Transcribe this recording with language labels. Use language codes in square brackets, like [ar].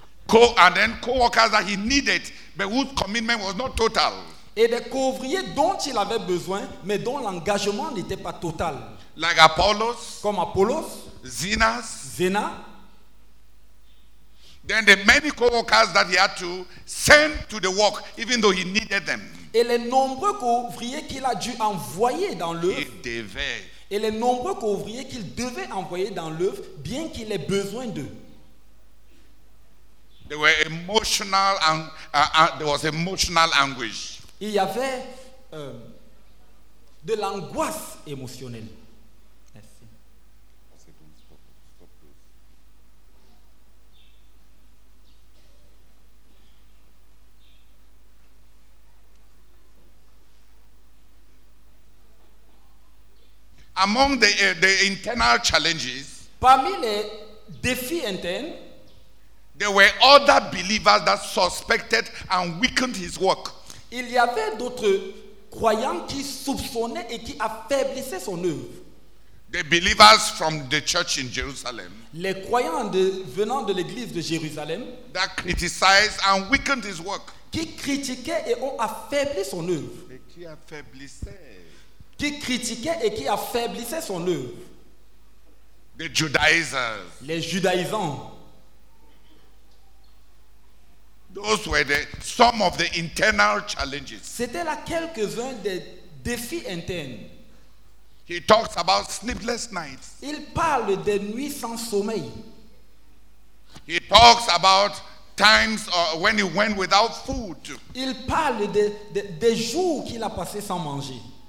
[en] And then co-workers that he needed, but whose commitment was not total. [fr] Et des co-ouvriers dont il avait besoin, mais dont l'engagement n'était pas total. [en] Like Apollos. [fr] Comme Apollos. [en] Zenas. [fr] Zena. [en] Then the many co-workers that he had to send to the work, even though he needed them. [fr] Et les nombreux co-ouvriers qu'il a dû envoyer dans l'œuvre. Et les nombreux co-ouvriers qu'il devait envoyer dans l'œuvre, bien qu'il ait besoin d'eux. [en] There were emotional and there was emotional anguish. [fr] Il y avait de l'angoisse émotionnelle. Merci. [en] Among the internal challenges, [fr] parmi les défis internes, [en] there were other believers that suspected and weakened his work. [fr] Il y avait d'autres croyants qui soupçonnaient et qui affaiblissaient son œuvre. [en] The believers from the church in Jerusalem. [fr] Les croyants venant de l'église de Jérusalem. [en] That criticized and weakened his work. [fr] Qui critiquaient et ont affaibli son œuvre. Et qui affaiblissaient. Qui critiquaient et qui affaiblissaient son œuvre. [en] The Judaizers. [fr] Les judaïsants. [en] Those were the some of the internal challenges. [fr] C'était là quelques-uns des défis internes. [en] He talks about sleepless nights. [fr] Il parle des nuits sans sommeil. [en] He talks about times when he went without food. [fr] Il parle des jours qu'il a passé sans manger.